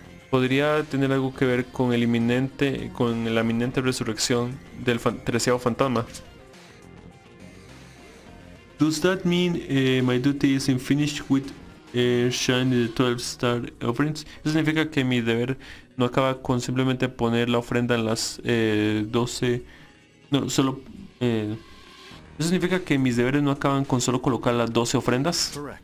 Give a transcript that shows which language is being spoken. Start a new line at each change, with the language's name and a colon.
Spanish: Podría tener algo que ver con el inminente, con la inminente resurrección del treceavo fantasma.
English: Does that mean my duty isn't finished with shining the 12 star offerings?
Spanish: ¿Eso significa que mi deber no acaba con simplemente poner la ofrenda en las 12? No, solo... ¿Eso significa que mis deberes no acaban con solo colocar las 12 ofrendas?